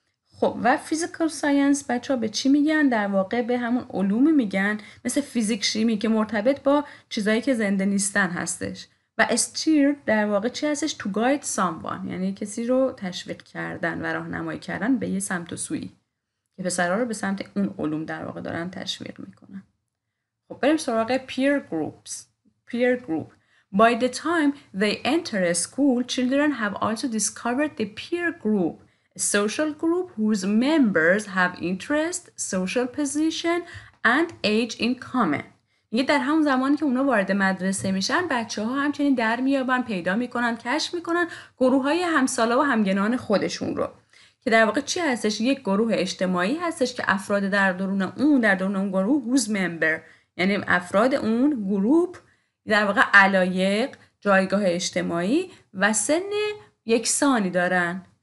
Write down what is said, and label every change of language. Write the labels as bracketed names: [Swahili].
[Persian] خب و فیزیکال ساینس بچه‌ها به چی میگن؟ در واقع به همون علوم میگن، مثل فیزیک شیمی که مرتبط با چیزایی که زنده نیستن هستش. و استیر در واقع چی هستش؟ تو گاید سام وان، یعنی کسی رو تشویق کردن و راهنمایی کردن به یه سمت و سویی. پسرها رو به سمت اون علوم در واقع دارن تشویق میکنن. خب بریم سراغ [English] peer groups. Peer group. By the time they enter a school, children have also discovered the peer group, a social group whose members have interest, social position, and age in common. [Persian] یه در همون زمانی که اونا وارد مدرسه میشن، بچه‌ها همچنین در میابن، پیدا میکنن، کشف میکنن گروه های همسالا و همگنان خودشون رو. که در واقع چی هستش؟ یک گروه اجتماعی هستش که افراد در درون اون گروه [English] whose member، [Persian] یعنی افراد اون گروه در واقع علایق، جایگاه اجتماعی و سن یکسانی دارن.